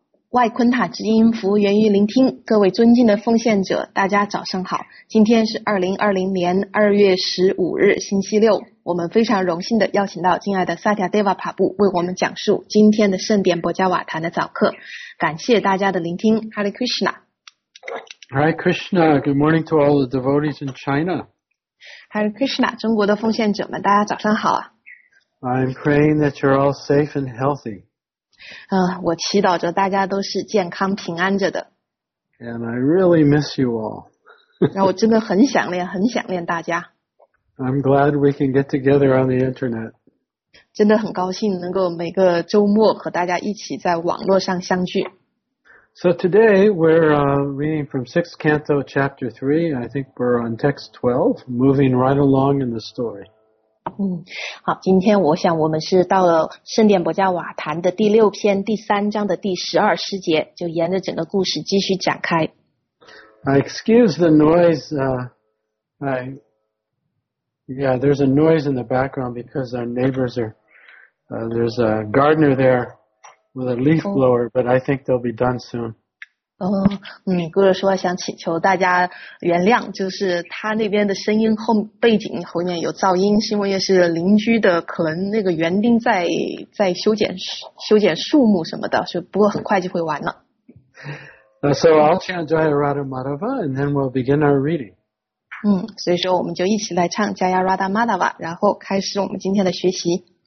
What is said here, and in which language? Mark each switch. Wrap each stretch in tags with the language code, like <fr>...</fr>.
<zh>外昆塔之音，服务源于聆听。各位尊敬的奉献者，大家早上好。今天是2020年2月15日，星期六。我们非常荣幸地邀请到敬爱的萨提亚德瓦帕布为我们讲述今天的圣殿博加瓦坛的早课。感谢大家的聆听。Hare Krishna.</zh> <en>Hare Krishna. Good morning to all the devotees in China. Hare Krishna.</en> <zh>中国的奉献者们，大家早上好啊。</zh> <en>I'm praying that you're all safe and healthy.</en> <zh>我祈祷着大家都是健康平安着的。</zh> <en>And I really miss you all.</en> <zh>然后我真的很想念，很想念大家。</zh> <en>I'm glad we can get together on the internet.</en> <zh>真的很高兴能够每个周末和大家一起在网络上相聚。</zh> <en>So today we're reading from 6th Canto, Chapter 3. I think we're on text 12, moving right along in the story.</en> <zh>好，今天我想我们是到了圣殿博加瓦坛的第六篇第三章的第十二诗节，就沿着整个故事继续展开。</zh> <en>I excuse the noise. There's a noise in the background because our neighbors are, there's a gardener there with a leaf blower, but I think they'll be done soon.</en> <zh>姑姑说想请求大家原谅，就是他那边的声音后背景后面有噪音，是因为是邻居的，可能那个园丁在修剪树木什么的，是不过很快就会完了。</zh> <en>So I'll chant Jaya Radha Madhava and then we'll begin our reading.</en> <zh>所以说我们就一起来唱 Jaya Radha Madhava， 然后开始我们今天的学习。</zh>